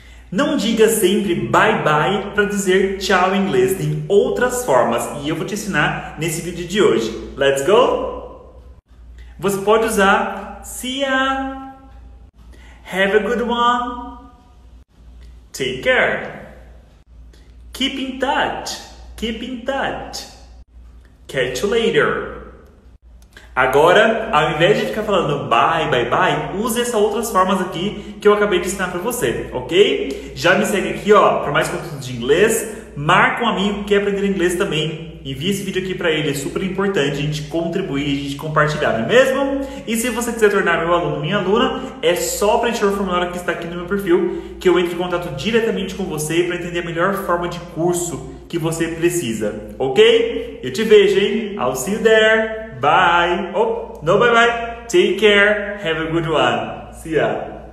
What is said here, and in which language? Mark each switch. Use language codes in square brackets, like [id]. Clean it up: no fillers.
[pt] Não diga sempre bye-bye para dizer tchau em inglês. Tem outras formas e eu vou te ensinar nesse vídeo de hoje. [en] Let's go! [pt] Você pode usar [en] see ya, have a good one, take care, keep in touch, keep in touch, catch you later. [pt] Agora, ao invés de ficar falando bye, bye, bye, use essas outras formas aqui que eu acabei de ensinar para você, ok? Já me segue aqui, ó, para mais conteúdo de inglês. Marca um amigo que quer aprender inglês também. Envie esse vídeo aqui para ele, é super importante a gente contribuir, a gente compartilhar, não é mesmo? E se você quiser tornar meu aluno, minha aluna, é só preencher o formulário que está aqui no meu perfil, que eu entro em contato diretamente com você para entender a melhor forma de curso que você precisa, ok? Eu te vejo, hein? [en] I'll see you there! Bye! Oh, no bye-bye! Take care! Have a good one! See ya!